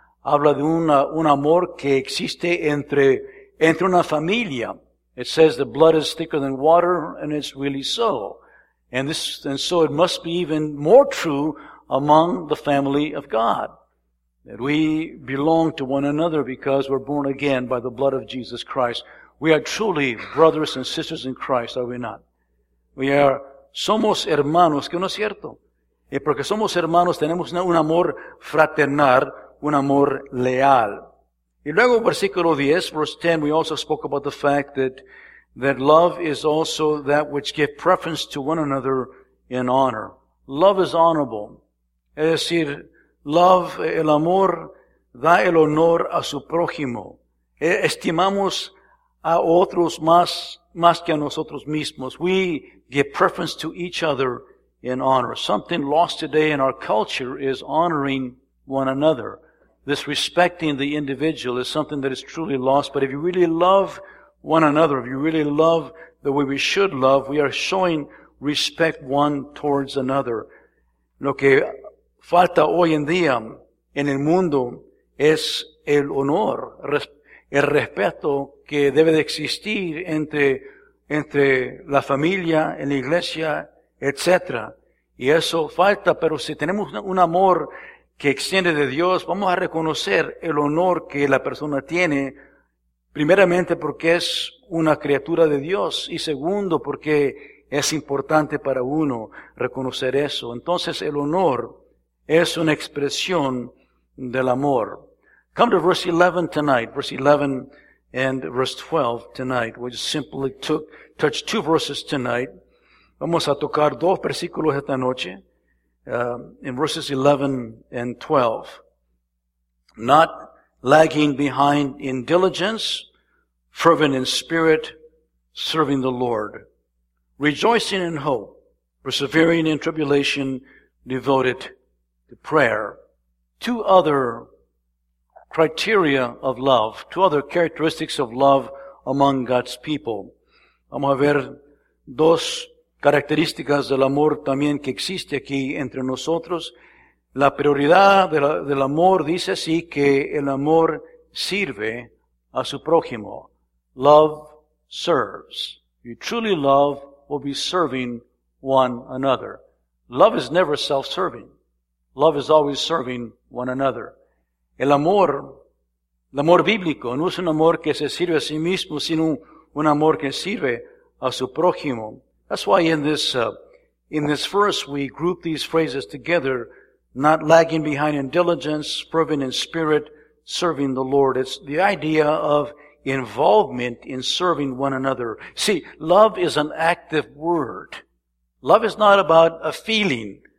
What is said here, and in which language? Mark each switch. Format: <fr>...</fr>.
<es>Habla de un amor que existe entre una familia.</es> <en>It says the blood is thicker than water, and it's really so. And so it must be even more true among the family of God, that we belong to one another because we're born again by the blood of Jesus Christ. We are truly brothers and sisters in Christ, are we not? We are,</en> <es>somos hermanos, ¿que no es cierto? Y porque somos hermanos, tenemos un amor fraternal, un amor leal. Y luego, versículo 10,</es> <en>verse 10, we also spoke about the fact that love is also that which give preference to one another in honor. Love is honorable.</en> <es>Es decir, love, el amor, da el honor a su prójimo. Estimamos a otros más que a nosotros mismos.</es> <en>We give preference to each other in honor. Something lost today in our culture is honoring one another. This respecting the individual is something that is truly lost. But if you really love one another, if you really love the way we should love, we are showing respect one towards another.</en> <es>Lo que falta hoy en día en el mundo es el honor, el respeto que debe de existir entre la familia, en la iglesia, etc. Y eso falta, pero si tenemos un amor que extiende de Dios, vamos a reconocer el honor que la persona tiene, primeramente porque es una criatura de Dios, y segundo porque es importante para uno reconocer eso. Entonces el honor es una expresión del amor.</es> <en>Come to verse 11 tonight, verse 11 and verse 12 tonight. We just simply touch two verses tonight.</en> <es>Vamos a tocar dos versículos esta noche.</es> <en>In verses 11 and 12, not lagging behind in diligence, fervent in spirit, serving the Lord, rejoicing in hope, persevering in tribulation, devoted to prayer. Two other criteria of love, two other characteristics of love among God's people.</en> <es>Vamos a ver dos características del amor también que existe aquí entre nosotros. La prioridad del amor dice así que el amor sirve a su prójimo.</es> <en>Love serves. You truly love will be serving one another. Love is never self-serving. Love is always serving one another.</en> <es>El amor bíblico, no es un amor que se sirve a sí mismo, sino un amor que sirve a su prójimo.</es> <en>That's why in this verse we group these phrases together, not lagging behind in diligence, fervent in spirit, serving the Lord. It's the idea of involvement in serving one another. See, love is an active word. Love is not about a feeling.</en>